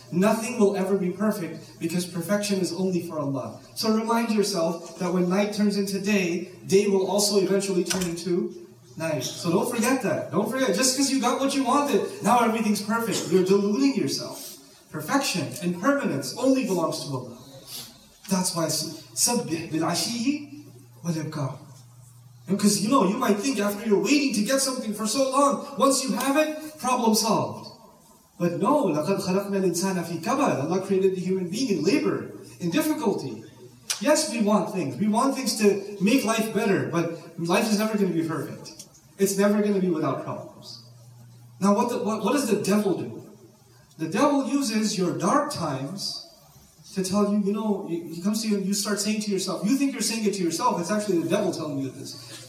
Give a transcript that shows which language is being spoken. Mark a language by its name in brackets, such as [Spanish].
[English] Nothing will ever be perfect because perfection is only for Allah. So remind yourself that when night turns into day, day will also eventually turn into night. So don't forget that. Don't forget. Just because you got what you wanted, now everything's perfect. You're deluding yourself. Perfection and permanence only belongs to Allah. That's why [Arabic] سَبِّحْ بِالْعَشِيِّ وَالْإِبْكَارِ. [English] Because you know, you might think after you're waiting to get something for so long, once you have it, problem solved. But no, [Arabic] لَقَدْ خَلَقْنَا الْإِنسَانَ فِي كَبَدْ. [English] Allah created the human being in labor, in difficulty. Yes, we want things. We want things to make life better, but life is never going to be perfect. It's never going to be without problems. Now what does the devil do? The devil uses your dark times to tell you, you know, he comes to you and you start saying to yourself, you think you're saying it to yourself, it's actually the devil telling you this.